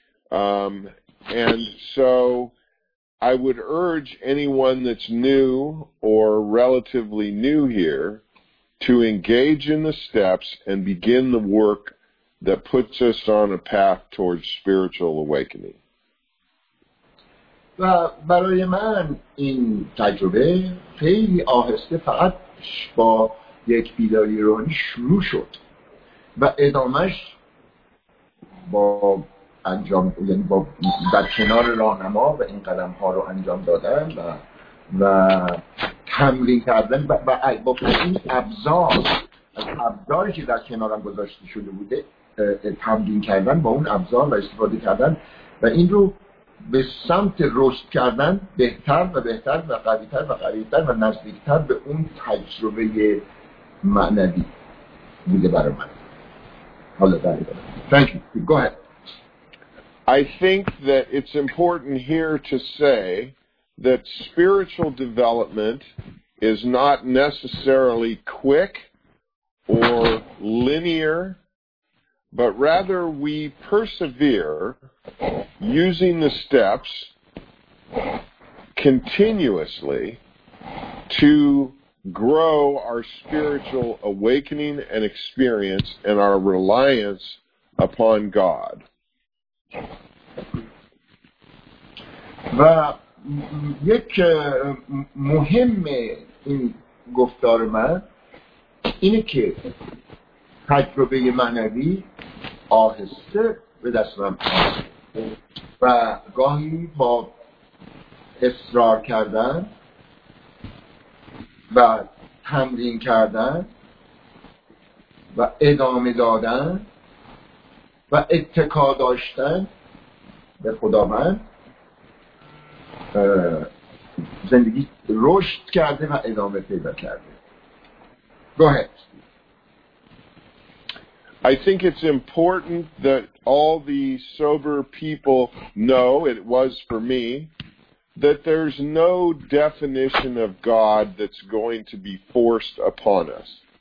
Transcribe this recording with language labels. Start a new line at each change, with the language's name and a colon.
English: And so I would urge anyone that's new or relatively new here to engage in the steps and begin the work that puts us on a path towards spiritual awakening.
Persian: و برای من این تجربه خیلی آهسته فقط با یک بیداری روحانی شروع شد و ادامش با انجام یعنی با در کنار راهنما و این قدم ها رو انجام دادن و تمرین کردن با این ابزار از ابزاری که در کنارم گذاشته شده بوده تمرین کردن با اون ابزار و استفاده کردن و این رو به سمت رشد کردن بهتر و بهتر و قوی‌تر و قوی‌تر و نزدیکتر به اون تجربه معنوی بوده برای من. حالا داری برای
English: Thank you. Go ahead. I think that it's important here to say that spiritual development is not necessarily quick or linear, but rather we persevere using the steps continuously to grow our spiritual awakening and experience and our reliance upon God.
Persian: و یک مهم این گفتار من اینه که تجربه معنوی آهسته به دست من پاید و گاهی با اصرار کردن و تمرین کردن و ادامه دادن و اتکا داشتن به خدا من زندگی رشد کرده و ادامه پیدا کرده.
English: Go ahead. I think it's important that all the sober people know, it was for me, that there's no definition of God that's going to be forced upon us.